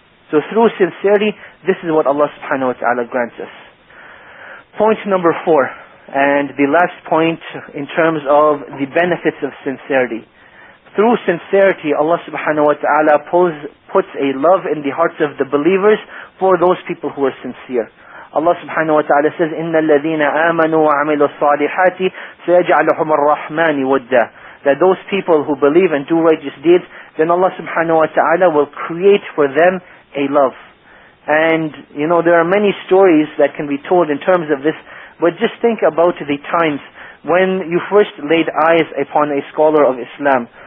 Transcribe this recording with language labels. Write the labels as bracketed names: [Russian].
[English] So through sincerity, this is what Allah subhanahu wa ta'ala grants us. Point number four, and the last point in terms of the benefits of sincerity. Through sincerity, Allah subhanahu wa ta'ala puts a love in the hearts of the believers for those people who are sincere. Allah subhanahu wa ta'ala says, [Arabic] إِنَّ الَّذِينَ آمَنُوا وَعَمِلُوا الصَّالِحَاتِ سَيَجْعَلُهُمَ الرَّحْمَنِ وَدَّ. [English] That those people who believe and do righteous deeds, then Allah subhanahu wa ta'ala will create for them a love. And, you know, there are many stories that can be told in terms of this, but just think about the times when you first laid eyes upon a scholar of Islam.